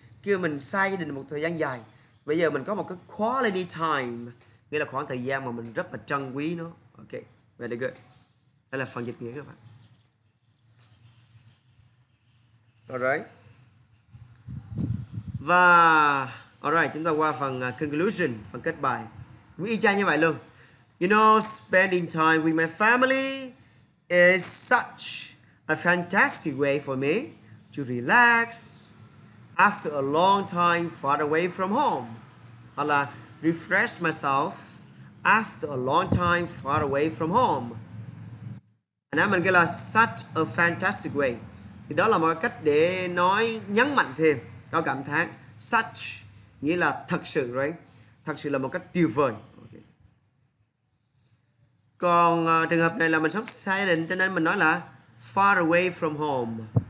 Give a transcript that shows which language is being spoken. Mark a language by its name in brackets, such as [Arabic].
[Vietnamese] Kêu mình xa gia đình một thời gian dài. Bây giờ mình có một cái [English] quality time, [Vietnamese] nghĩa là khoảng thời gian mà mình rất là trân quý nó. [English] Ok, very good. [Vietnamese] Đây là phần dịch nghĩa các bạn. [English] Alright. [Vietnamese] Và alright, chúng ta qua phần conclusion, phần kết bài. Cũng y chang như vậy luôn. [English] You know, spending time with my family is such a fantastic way for me to relax after a long time far away from home. [Vietnamese] Hoặc là [English] refresh myself after a long time far away from home. And I'm gonna say such a fantastic way. [Vietnamese] Thì đó là một cách để nói, nhấn mạnh thêm, có cảm thán. Such nghĩa là thật sự, right? Thật sự là một cách tuyệt vời. Okay. Còn trường hợp này là mình sống xa gia đình, cho nên mình nói là [English] far away from home.